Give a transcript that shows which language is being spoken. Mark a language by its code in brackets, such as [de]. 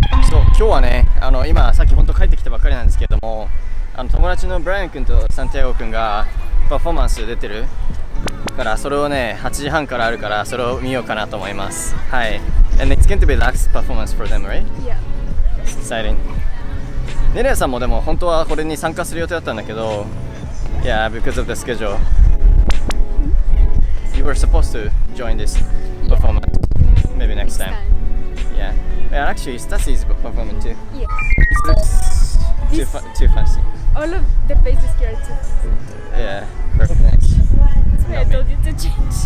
[ja] So, 今日はね、今さっき本当帰ってきたばかりなんですけれども、友達のブライアン君とサンティアゴ君がパフォーマンス出てるから、それをね、8時半からあるから、それを見ようかなと思います。はい。 [en] And it's going to be the last performance for them, right? Yeah. Exciting. [ja] Nerea さんもでも本当はこれに参加する予定だったんだけど、 [en] Yeah, because of the schedule. You were supposed to join this performance. Maybe next time. Yeah. Yeah, actually, Stassi is performing too. Yeah. It looks too fancy. All of the faces here are too fancy. Yeah, perfect. That's why I told you to change.